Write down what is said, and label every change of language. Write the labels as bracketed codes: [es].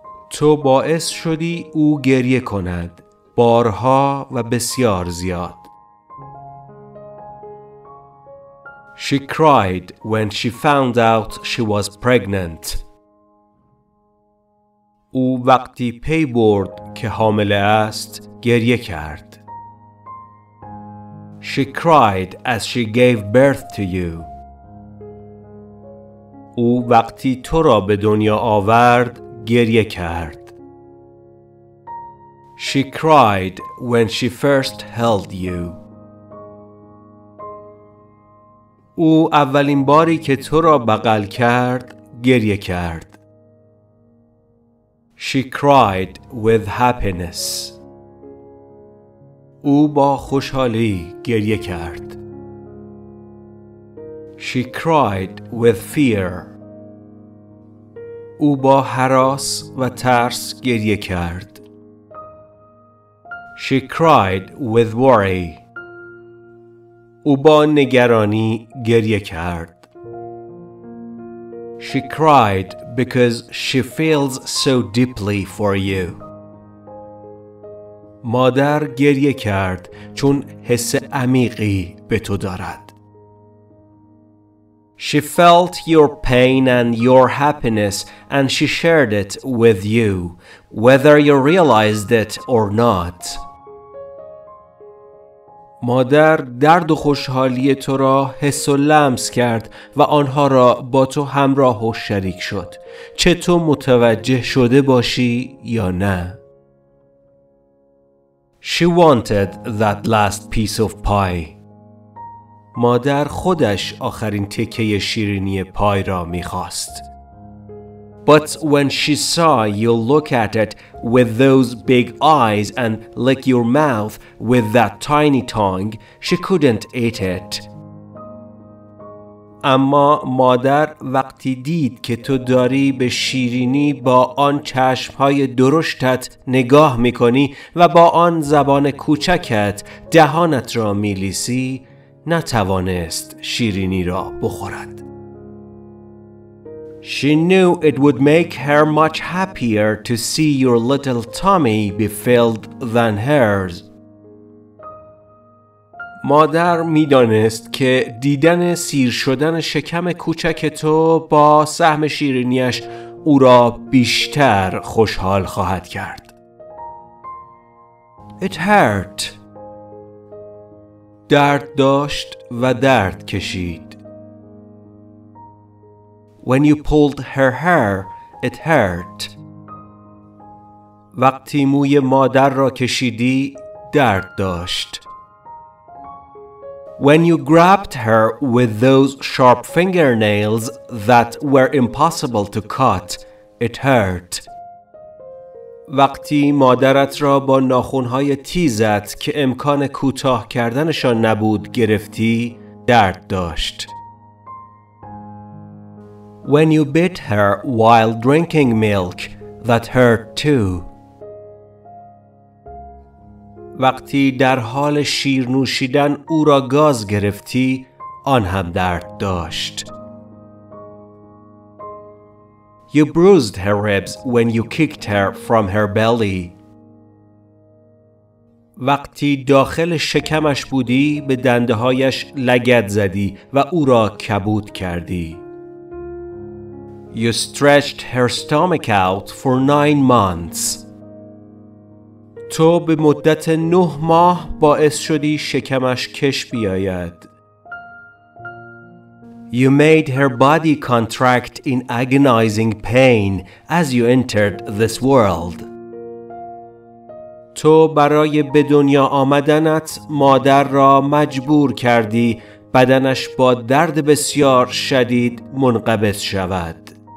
[fa] تو باعث شدی او گریه کند بارها و بسیار زیاد. [en] She cried when she found out she was pregnant. [fa] او وقتی پی برد که حامله است گریه کرد. [en] She cried as she gave birth to you. [fa] او وقتی تو را به دنیا آورد گریه کرد. [en] She cried when she first held you. [fa] او اولین باری که تو را بغل کرد گریه کرد. [en] She cried with happiness. [fa] او با خوشحالی گریه کرد. [en] She cried with fear. [fa] او با هراس و ترس گریه کرد. [en] She cried with worry. [fa] او با نگرانی گریه کرد. [en] She cried because she feels so deeply for you. [fa] مادر گریه کرد چون حس عمیقی به تو دارد. [en] She felt your pain and your happiness and she shared it with you, whether you realized it or not. [fa] مادر درد و خوشحالی تو را حس و لمس کرد و آنها را با تو همراه و شریک شد. چه تو متوجه شده باشی یا نه؟ [en] She wanted that last piece of pie. [fa] مادر خودش آخرین تکه شیرینی پای را می‌خواست. [en] But when she saw you look at it with those big eyes and lick your mouth with that tiny tongue, she couldn't eat it. [fa] اما مادر وقتی دید که تو داری به شیرینی با آن چشم‌های درشتت نگاه می‌کنی و با آن زبان کوچکت دهانت را می‌لیسی، نتوانست شیرینی را بخورد. [en] She knew it would make her much happier to see your little tummy be filled than hers. [fa] مادر می‌دانست که دیدن سیر شدن شکم کوچک تو با سهم شیرینیش او را بیشتر خوشحال خواهد کرد. [en] It hurt. [fa] درد داشت و درد کشید. [en] When you pulled her hair, it hurt. [fa] وقتی موی مادر را کشیدی، درد داشت. [en] When you grabbed her with those sharp fingernails that were impossible to cut, it hurt. [fa] وقتی مادرت را با ناخونهای تیزت که امکان کوتاه کردنشان نبود گرفتی، درد داشت. [en] When you bit her while drinking milk, that hurt too. [fa] وقتی در حال شیر نوشیدن او را گاز گرفتی، آن هم درد داشت. [en] You bruised her ribs when you kicked her from her belly. [fa] وقتی داخل شکمش بودی به دنده‌هایش لگد زدی و او را کبود کردی. [en] You stretched her stomach out for 9 months. [fa] تو به مدت 9 ماه باعث شدی شکمش کش بیاید. [en] You made her body contract in agonizing pain as you entered this world. [fa] تو برای به دنیا آمدنت مادر را مجبور کردی بدنش با درد بسیار شدید منقبض شود.